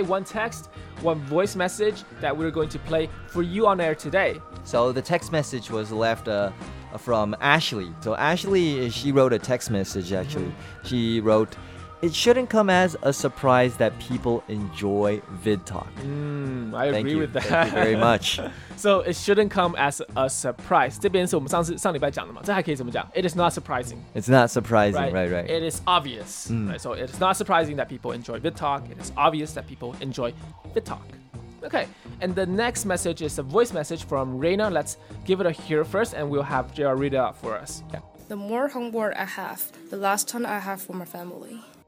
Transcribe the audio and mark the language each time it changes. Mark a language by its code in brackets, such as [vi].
[en] One text, one voice message that we're going to play for you on air today. So the text message was left from Ashley. So Ashley, she wrote a text message actually. She wrote It shouldn't come as a surprise that people enjoy VidTalk. I agree with that. Thank you very much. So it shouldn't come as a surprise. [zh] 这边是我们上礼拜讲的嘛，这还可以怎么讲？ [en] It is not surprising. It's not surprising, right? Right, right. It is obvious. Right, so it is not surprising that people enjoy VidTalk. It is obvious that people enjoy VidTalk. Okay, and the next message is a voice message from Reina. Let's give it a hear first, and we'll have JR read it out for us. Yeah. The more homework I have, the less time I have for my family.